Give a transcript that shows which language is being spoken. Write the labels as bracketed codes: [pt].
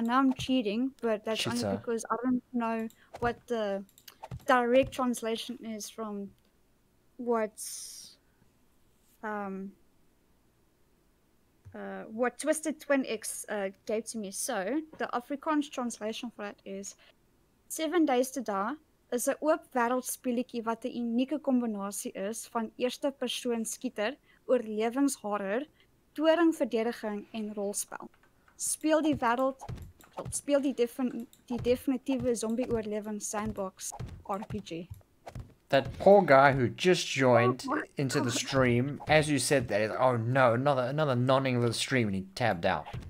[en] I know I'm cheating, but that's Cheater. Only because I don't know what the direct translation is from what Twisted Twin X gave to me. So the Afrikaans translation for that is 7 days to die. [af] Is 'n oop wêreldspeletjie wat 'n unieke kombinasie is van eerste persoon skieter, oorlewingshorror, toringverdediging en rolspel. Speel die wêreld, speel die definitiewe zombie oorlewing sandbox RPG. [en] That poor guy who just joined into the stream, as you said that, is, oh no, another non-English stream and he tabbed out.